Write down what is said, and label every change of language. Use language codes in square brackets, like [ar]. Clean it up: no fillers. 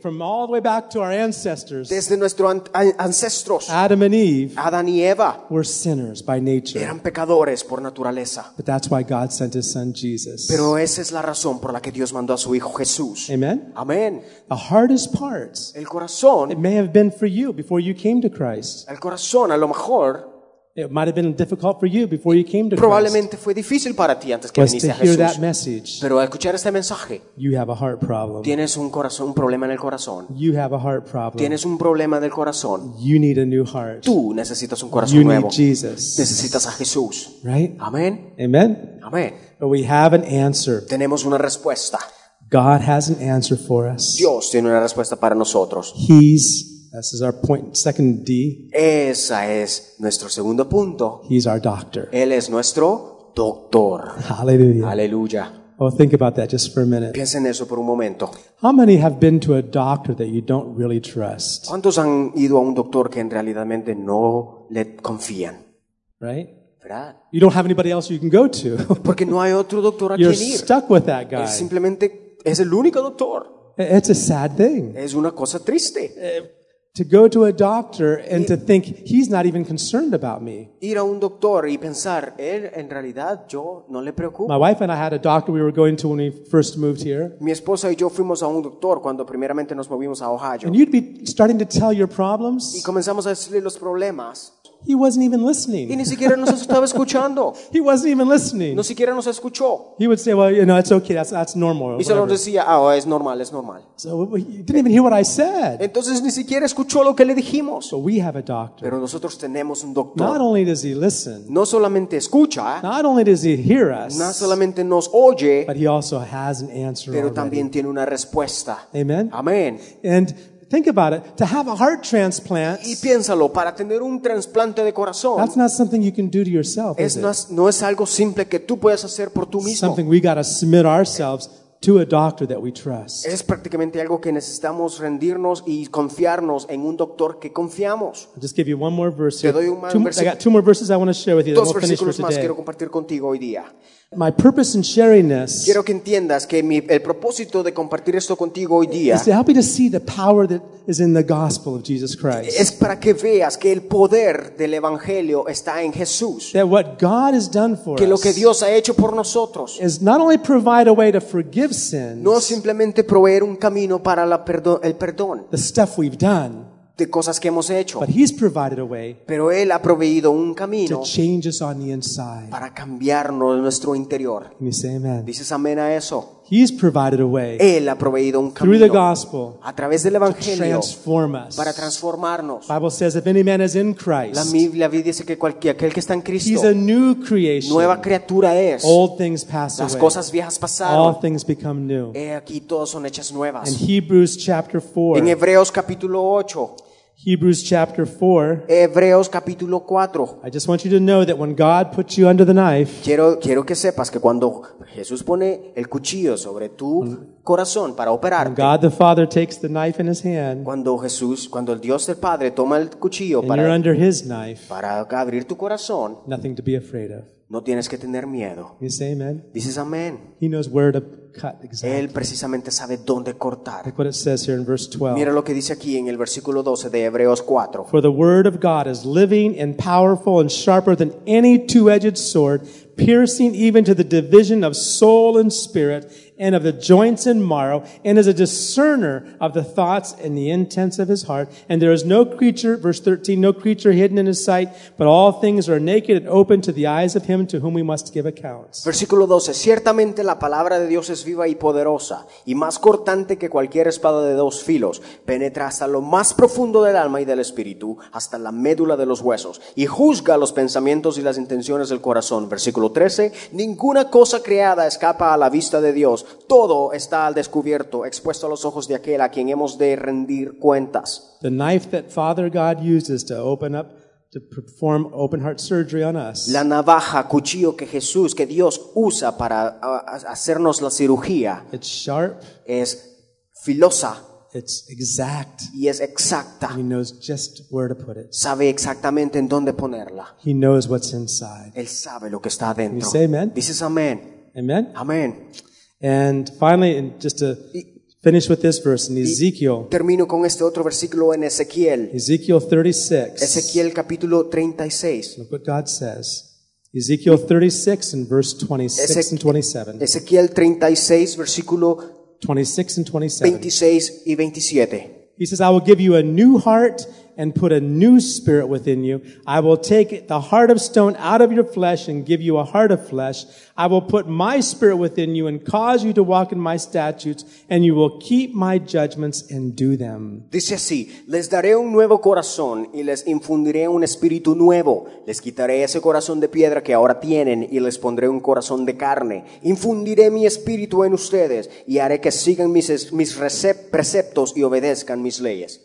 [en] From all the way back to our ancestors. [es] Desde nuestros ancestros. [en] Adam and Eve. [es] Adán y Eva. [en] Were sinners by nature. [es] Eran pecadores por naturaleza. [en] But that's why God sent his son Jesus. [es] Pero esa es la razón por la que Dios mandó a su hijo Jesús. [en] Amen. [es] Amen. [en] The hardest part. [es] El corazón. [en] It may have been for you before you came to Christ. [es] El corazón a lo mejor. [en] It might have been difficult for you before you came to [es] probablemente [en] Christ. [es] Fue difícil para ti antes que viniste a Jesús. [en] That message, [es] pero al escuchar este mensaje, [en] you have a heart problem. [es] Tienes un problema en el corazón. [en] You have a heart problem. [es] Tienes un problema del corazón. [en] You need a new heart. [es] Tú necesitas un corazón [en] you [es] nuevo. [en] Need Jesus. [es] Necesitas a Jesús. [en] Right? Amen. Amen. Amen. But we have an answer. [es] Tenemos una respuesta. [en] God has an answer for us. [es] Dios tiene una respuesta para nosotros. [en] He's This is our point, second D. [es] Esa es nuestro segundo punto. [en] He's our doctor. [es] Él es nuestro doctor. [en] Hallelujah. [es] Hallelujah. [en] Oh, think about that just for a minute. [es] Piensa en eso por un momento. [en] How many have been to a doctor that you don't really trust? [es] ¿Cuántos han ido a un doctor que en realidadmente no le confían? [en] Right? [es] ¿Verdad? [en] You don't have anybody else you can go to. [es] Porque no hay otro doctor a [en] You're [es] quien ir. [en] You're stuck with that guy. [es] Él simplemente es el único doctor. [en] It's a sad thing. [es] Es una cosa triste. [en] To go to a doctor and to think he's not even concerned about me. [es] Ir a un doctor y pensar, él en realidad yo no le preocupo. [en] My wife and I had a doctor we were going to when we first moved here. [es] Mi esposa y yo fuimos a un doctor cuando primeramente nos movimos a Ohio. [en] And you'd be starting to tell your problems. [es] Y comenzamos a decirle los problemas. [en] He wasn't even listening. [es] Y ni siquiera nos estaba escuchando. [en] He wasn't even listening. [es] No siquiera nos escuchó. [en] He would say, "Well, you know, it's okay. That's normal." [es] Y solo decía, "Ah, es normal, es normal." [en] So he didn't even hear what I said. [es] Entonces ni siquiera escuchó lo que le dijimos. [en] So we have a doctor. [es] Pero nosotros tenemos un doctor. [en] Not only does he listen. [es] No solamente escucha. [en] Not only does he hear us. [es] No solamente nos oye. [en] But he also has an answer. [es] Pero [en] already. [es] También tiene una respuesta. [en] Amen. [es] Amen. [en] And think about it. To have a heart transplant. [es] Y piénsalo, para tener un trasplante de corazón. [en] That's not something you can do to yourself. [es] Es no es algo simple que tú puedas hacer por tú mismo. [en] Something we got to submit ourselves to a doctor that we trust. [es] Es prácticamente algo que necesitamos rendirnos y confiarnos en un doctor que confiamos. [en] I'll just give you one more verse. [es] Te doy un [en] I got two more verses I want to share with you. [es] Dos [en] we'll [es] versículos [en] finish for [es] más [en] today. [es] Quiero compartir contigo hoy día. [en] My purpose in sharing this. [es] Quiero que entiendas que el propósito de compartir esto contigo hoy día. [en] Is to help you to see the power that is in the gospel of Jesus Christ. [es] Es para que veas que el poder del evangelio está en Jesús. [en] That what God has done for us. [es] Que lo que Dios ha hecho por nosotros. [en] Is not only provide a way to forgive sins. [es] No simplemente proveer un camino para el perdón. [en] The stuff we've done. [es] De cosas que hemos hecho. [en] But he's provided a way. [es] Pero él ha proveído un camino. [en] To change us on the inside. [es] Para cambiarnos nuestro interior. [en] Can you say amen? [es] Dices amén a eso. [en] He's provided a way. [es] Él ha proveído un camino. [en] Through the gospel. [es] A través del evangelio. [en] To transform us. [es] Para transformarnos. [en] The Bible says if any man is in Christ. [es] La Biblia dice que aquel que está en Cristo. [en] He's a new creation. [es] Nueva criatura es. [en] Old things pass away. [es] Las cosas viejas pasaron. [en] All things become new. [es] He aquí todos son hechas nuevas. [en] In Hebrews chapter 4. [es] En Hebreos capítulo 8. [en] Hebrews chapter 4. [es] Hebreos capítulo 4. [en] I just want you to know that when God puts you under the knife. [es] Quiero que sepas que cuando Jesús pone el cuchillo sobre tu corazón para operarte. [en] When God the Father takes the knife in his hand. [es] Cuando el Dios el Padre toma el cuchillo [en] and you're under his knife. [es] Para abrir tu corazón. [en] Nothing to be afraid of. [es] No tienes que tener miedo. [en] You say amen. [es] Dices amén. [en] He knows where to cut exactly. [es] Él precisamente sabe dónde cortar. [en] Look what it says here in verse 12. [es] Mira lo que dice aquí en el versículo 12 de Hebreos 4. [en] For the word of God is living and powerful and sharper than any two-edged sword, piercing even to the division of soul and spirit and of the joints and marrow, and is a discerner of the thoughts and the intents of his heart. And there is no creature, verse 13, no creature hidden in his sight, but all things are naked and open to the eyes of him to whom we must give accounts. [es] Versículo 12, ciertamente la palabra de Dios es viva y poderosa, y más cortante que cualquier espada de dos filos. Penetra hasta lo más profundo del alma y del espíritu, hasta la médula de los huesos, y juzga los pensamientos y las intenciones del corazón. Versículo 13, ninguna cosa creada escapa a la vista de Dios, todo está al descubierto, expuesto a los ojos de aquel a quien hemos de rendir cuentas. [en] The knife that Father God uses to open up, to perform open heart surgery on us. [es] La navaja, cuchillo que Jesús, que Dios usa para hacernos la cirugía. [en] It's sharp. [es] Es filosa. [en] It's exact. [es] Y es exacta. [en] He knows just where to put it. [es] Sabe exactamente en dónde ponerla. [en] He knows what's inside. [es] Él sabe lo que está adentro. [en] You say amen? [es] Dices amén. [en] Amen. [es] Amen. [en] And finally, and just to finish with this verse in Ezekiel. [es] Termino con este otro versículo en Ezequiel. [en] Ezekiel 36. [es] Ezequiel capítulo 36. [en] Look what God says. Ezekiel 36 and verse 26 and 27. [es] Ezequiel 36, versículo [en] 26 and 27. [es] 26 y 27. [en] He says, I will give you a new heart and put a new spirit within you. I will take the heart of stone out of your flesh and give you a heart of flesh. I will put my spirit within you and cause you to walk in my statutes, and you will keep my judgments and do them. [es] Dice así, les daré un nuevo corazón y les infundiré un espíritu nuevo. Les quitaré ese corazón de piedra que ahora tienen y les pondré un corazón de carne. Infundiré mi espíritu en ustedes y haré que sigan mis preceptos y obedezcan mis leyes.